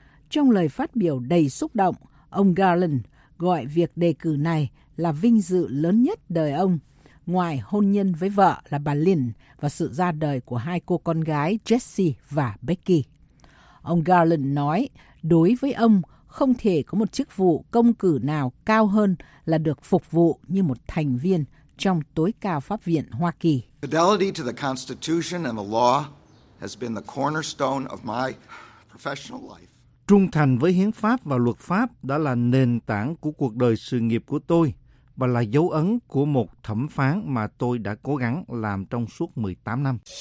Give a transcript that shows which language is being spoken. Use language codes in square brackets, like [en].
[vi] Trong lời phát biểu đầy xúc động, ông Garland gọi việc đề cử này là vinh dự lớn nhất đời ông, ngoài hôn nhân với vợ là bà Lynn và sự ra đời của hai cô con gái Jessie và Becky. Ông Garland nói, đối với ông, không thể có một chức vụ công cử nào cao hơn là được phục vụ như một thành viên trong tối cao Pháp viện Hoa Kỳ. [en] Fidelity to the Constitution and the law has been the cornerstone of my professional life. [vi] Trung thành với hiến pháp và luật pháp đã là nền tảng của cuộc đời sự nghiệp của tôi và là dấu ấn của một thẩm phán mà tôi đã cố gắng làm trong suốt 18 năm.